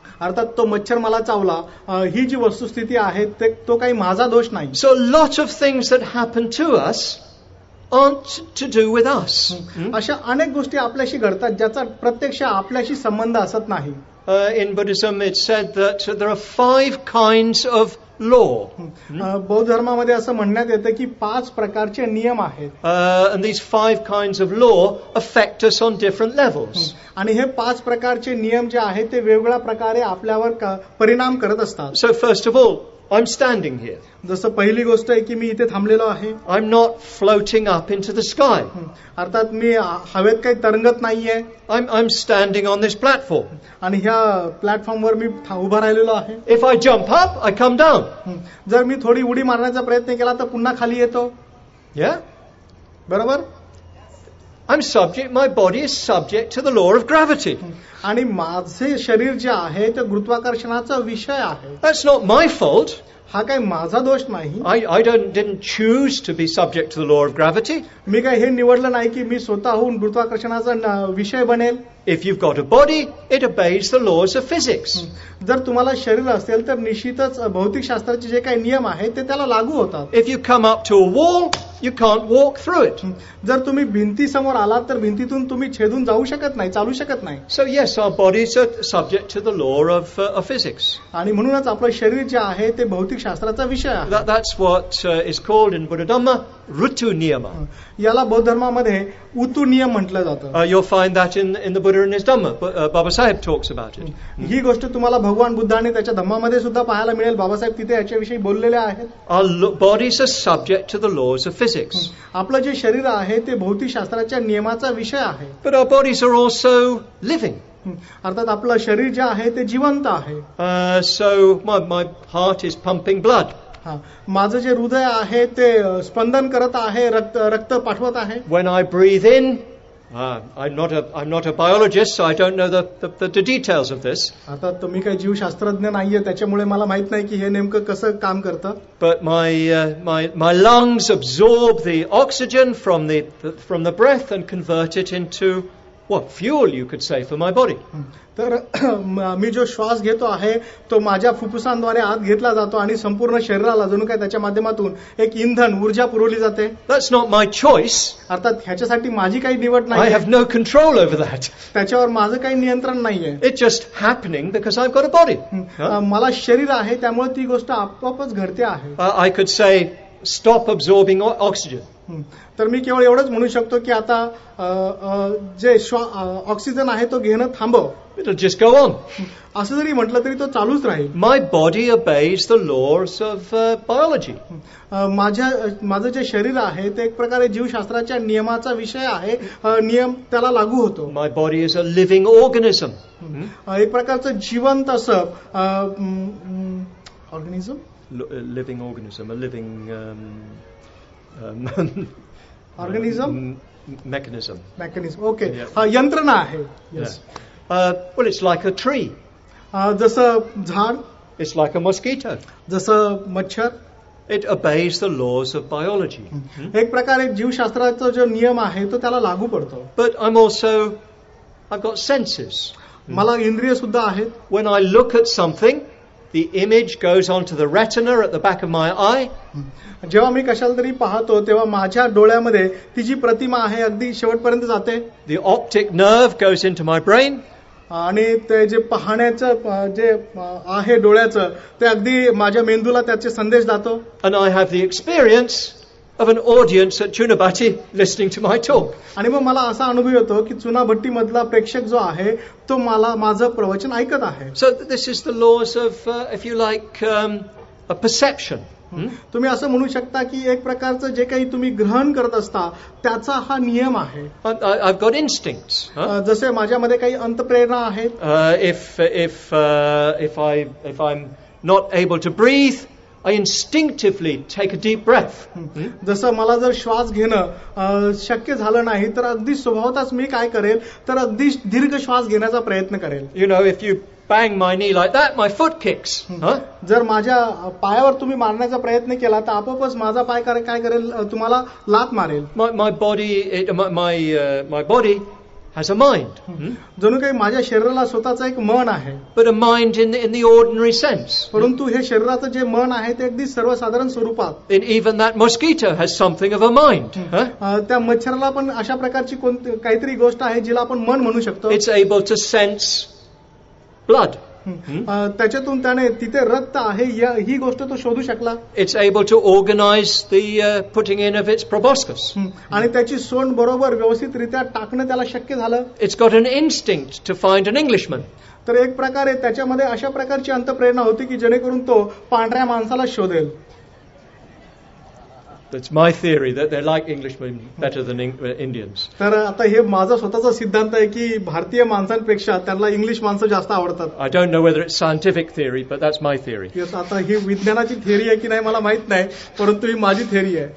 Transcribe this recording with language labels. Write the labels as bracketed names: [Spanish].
[Marathi] अर्थात तो मच्छर मला चावला ही जी वस्तुस्थिती आहे तो काही माझा दोष नाही. [English] So lot of things that happen to us aren't to do with us. [Marathi] अशा अनेक गोष्टी आपल्याशी घडतात ज्याचा प्रत्यक्ष आपल्याशी संबंध असत नाही. [English] In Buddhism it said that there are 5 kinds of law. [Marathi] बौद्ध धर्मामध्ये असं म्हणण्यात येतं की 5 प्रकारचे नियम आहेत. [English] And these 5 kinds of law affect us on different levels. [Marathi] आणि हे 5 प्रकारचे नियम जे आहेत ते वेगवेगळ्या प्रकारे आपल्यावर परिणाम करत असतात. [English] So first of all, I'm standing here. [Marathi] जसं पहिली गोष्ट आहे की मी इथे थांबलेलो आहे. [English] I'm not floating up into the sky. [Marathi] अर्थात मी हवेत काही तरंगत नाहीये. [English] I'm standing on this platform. [Marathi] आणि ह्या प्लॅटफॉर्मवर मी उभा राहिलेलो आहे. [English] If I jump up, I come down. [Marathi] जर मी थोडी उडी मारण्याचा प्रयत्न केला तर पुन्हा खाली येतो. [English] Yeah? [Marathi] बरोबर. [English] I'm subject, my body is subject to the law of gravity. [Marathi] आणि माझे शरीर जे आहे ते गुरुत्वाकर्षणाचा विषय आहे. [English] That's not my fault. [Marathi] हा काही माझा दोष नाही. [English] I didn't choose to be subject to the law of gravity. [Marathi] मी काही हे निवडलं नाही की मी स्वतःहून गुरुत्वाकर्षणाचा विषय बनेल. [English] If you've got a body, it obeys the laws of physics. [Marathi] जर तुम्हाला शरीर असेल तर निश्चितच भौतिकशास्त्राचे जे काही नियम आहेत ते त्याला लागू होतात. [English] If you come up to a wall, you can't walk through it. [Marathi] जर तुम्ही भिंतीसमोर आलात तर भिंतीतून तुम्ही छेदून जाऊ शकत नाही, चालू शकत नाही. [English] So yes, our bodies are subject to the law of physics. [Marathi] आणि म्हणूनच आपलं शरीर जे आहे ते भौतिकशास्त्राचा विषय आहे. [English] That's what is called in Buddha Dhamma ritu niyam. [Marathi] याला बौद्ध धर्मामध्ये ऋतु नियम म्हटलं जातं. [English] You'll find that in the Buddha and his Dhamma. Baba Sahib talks about it. [Marathi] ही गोष्ट तुम्हाला भगवान बुद्धाने त्याच्या धम्मामध्ये सुद्धा पाहायला मिळेल. बाबासाहेब तिथे याच्याविषयी बोललेले आहेत. [English] Our bodies are subject to the laws of physics. [Marathi] आपलं जे शरीर आहे ते भौतिकशास्त्राच्या नियमाचा विषय आहे. [English] But our bodies are also living. [Marathi] अर्थात आपलं शरीर जे आहे ते जिवंत आहे. [English] So my heart is pumping blood. [Marathi] माझं जे हृदय आहे ते स्पंदन करत आहे, रक्त पाठवत आहे. [English] When I breathe in, I'm not a biologist, so I don't know the details of this. [Marathi] आता तुम्ही काही जीवशास्त्रज्ञ नाहीये त्याच्यामुळे मला माहित नाही की हे नेमकं कसं काम करतं. [English] But my lungs absorb the oxygen from the breath and convert it into fuel, you could say, for my body. [Marathi] तर मी जो श्वास घेतो आहे तो माझ्या फुफ्फुसांद्वारे आत घेतला जातो आणि संपूर्ण शरीराला जणू काय त्याच्या माध्यमातून एक इंधन ऊर्जा पुरवली जाते. [English] That's not my choice. [Marathi] अर्थात ह्याच्यासाठी माझी काही निवड नाही. [English] I have no control over that. [Marathi] त्याच्यावर माझं काही नियंत्रण नाहीये. [English] It's just happening because I've got a body. [Marathi] मला शरीर आहे त्यामुळे ती गोष्ट आपोआपच घडते आहे. [English] I could say stop absorbing oxygen. [Marathi] तर मी केवळ एवढंच म्हणू शकतो की आता जे ऑक्सिजन आहे तो घेणं थांबव. [English] It'll just go on. [Marathi] असं जरी म्हटलं तरी तो चालूच राहील. [English] My body obeys the laws of biology. [Marathi] माझं जे शरीर आहे ते एक प्रकारे जीवशास्त्राच्या नियमाचा विषय आहे. नियम त्याला लागू होतो. [English] My body is a living organism. [Marathi] एक प्रकारचं जिवंत असं ऑर्गॅनिझम. [English] Living organism, a living organism. Mechanism. [Marathi] ओके. यंत्रणा आहे. [English] Well, it's like a tree. [Marathi] जसं झाड. [English] It's like a mosquito. [Marathi] जसं मच्छर. [English] It obeys the laws of biology. [Marathi] एक प्रकारे जीवशास्त्राचा जो नियम आहे तो त्याला लागू पडतो. [English] But I am also I got senses. [Marathi] मला इंद्रिय सुद्धा आहेत. [English] When I look at something the image goes onto the retina at the back of my eye. [Marathi] जेव्हा मी कशालतरी पाहतो तेव्हा माझ्या डोळ्यामध्ये ती जी प्रतिमा आहे अगदी शेवटपर्यंत जाते. [English] The optic nerve goes into my brain. [Marathi] आणि ते जे पाहण्याचं जे आहे डोळ्याचं ते अगदी माझ्या मेंदूला त्याचे संदेश जातो. [English] And I have the experience of an audience at Chunabati listening to my talk. [Marathi] आणि मग मला असा अनुभव येतो की चुनाभट्टी मधला प्रेक्षक जो आहे तो मला माझं प्रवचन ऐकत आहे. [English] So this is the laws of if you like a perception. [Marathi] तुम्ही असं म्हणू शकता की एक प्रकारचं जे काही तुम्ही ग्रहण करत असता त्याचा हा नियम आहे. [English] I've got instincts. [Marathi] जसे माझ्यामध्ये काही अंतप्रेरणा आहेत. [English] If I'm not able to breathe, I instinctively take a deep breath. [Marathi] जसं मला जर श्वास घेणं शक्य झालं नाही तर अगदी स्वभावतःच मी काय करेल तर अगदी दीर्घ श्वास घेण्याचा प्रयत्न करेल. [English] You know if you bang my knee like that, my foot kicks. [Marathi] जर माझ्या पायावर तुम्ही मारण्याचा प्रयत्न केला तर आपोआपच माझा पाय काय करेल तुम्हाला लात मारेल. [English] My body has a mind. [Marathi] जणू काही माझ्या शरीराला स्वतःचं एक मन आहे. [English] But a mind in the ordinary sense. [Marathi] परंतु हे शरीराचं जे मन आहे ते अगदी सर्वसाधारण स्वरूपात. [English] And even that mosquito has something of a mind. [Marathi] त्या मच्छराला पण अशा प्रकारची कोणती काहीतरी गोष्ट आहे जिला आपण मन म्हणू शकतो. [English] It's able to sense blood. [Marathi] त्याच्यातून त्याने तिथे रक्त आहे ही गोष्ट तो शोधू शकला. [English] It's able to organise the putting in of its proboscis. [Marathi] आणि त्याची सोंड बरोबर व्यवस्थित रित्या टाकणं त्याला शक्य झालं. [English] It's got an instinct to find an Englishman. [Marathi] तर एक प्रकारे त्याच्यामध्ये अशा प्रकारची अंतप्रेरणा होती की जेणेकरून तो पांढऱ्या माणसाला शोधेल. [English] That's my theory that they like Englishmen better than Indians. [Marathi] तर आता हे माझा स्वतःचा सिद्धांत आहे की भारतीय माणसांपेक्षा त्यांना इंग्लिश माणसं जास्त आवडतात. [English] I don't know whether it's scientific theory but that's my theory. [Marathi] Yes आता ही विज्ञानाची थिअरी आहे की नाही मला माहित नाही परंतु ही माझी थिअरी आहे.